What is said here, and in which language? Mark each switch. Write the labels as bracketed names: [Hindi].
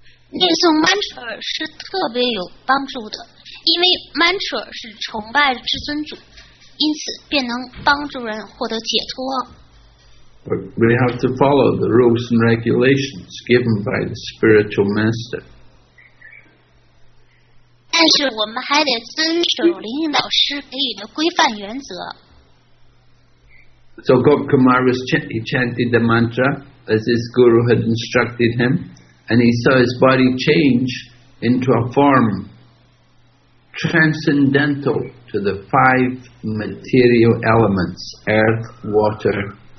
[Chinese] 念诵 mantra 是特别有帮助的，因为 mantra 是崇拜至尊主，因此便能帮助人获得解脱。 [English] But we have to follow the rules and regulations given by the spiritual master. [Chinese] 但是我们还得遵守灵性导师给予的规范原则。 [English] So Gopkumar was chanted the mantra as his guru had instructed him, and he saw his body change into a form transcendental to the five material elements: earth, water.